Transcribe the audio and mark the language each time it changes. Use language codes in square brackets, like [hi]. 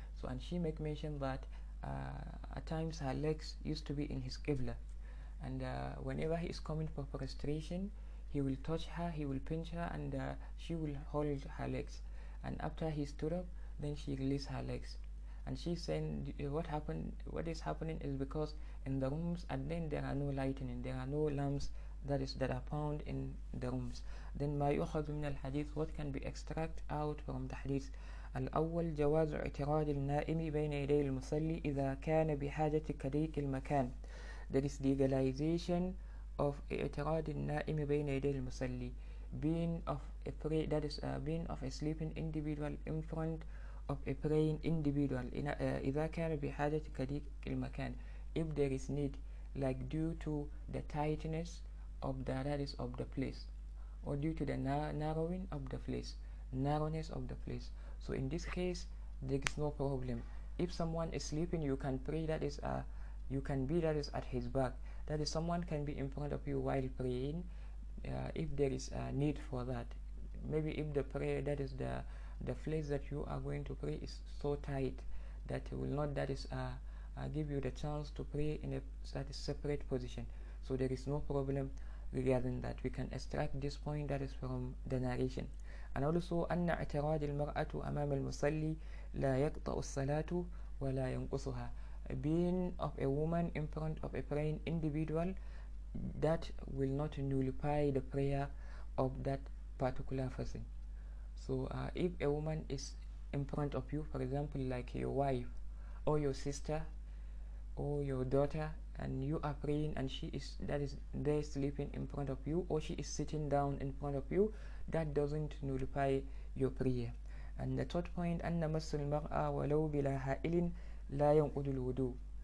[en] So, and she make mention that at times her legs used to be in his qibla, and whenever he is coming for prostration, he will touch her, he will pinch her, and she will hold her legs, and after he stood up, then she released her legs. And she's saying, what is happening is because in the rooms, and then there are no lightning, there are no lamps that are found in the rooms. Then [ar] ما يؤخذ من الحديث, [en] what can be extracted out from the hadith. [ar] الأول جواز اعتراض النائم بين يدي المصلي إذا كان بحاجة كذلك المكان. [en] That is legalization of [ar] اعتراض النائم بين يدي المصلي, [en] being of a sleeping individual in front of a praying individual. [ar] إذا كان بحاجة كذلك المكان, [en] if there is need, like due to the tightness of the place, or due to the narrowing of the place, narrowness of the place. So in this case, there is no problem. If someone is sleeping, you can pray, you can be at his back. That is, someone can be in front of you while praying, if there is a need for that. Maybe if the prayer, that is the place that you are going to pray, is so tight that it will not, give you the chance to pray in a separate position. So there is no problem regarding that. We can extract this point, that is from the narration. And also, [ar] أن اعتراض المرأة أمام المصلي لا يقطع الصلاة ولا ينقصها. [en] Being of a woman in front of a praying individual, that will not nullify the prayer of that particular person. So if a woman is in front of you, for example, like your wife or your sister or your daughter, and you are praying and she is, that is, there sleeping in front of you, or she is sitting down in front of you, that doesn't nullify your prayer. And the third point, [ar] أن مس المرأة ولو بلا حائل لا ينقض الوضوء.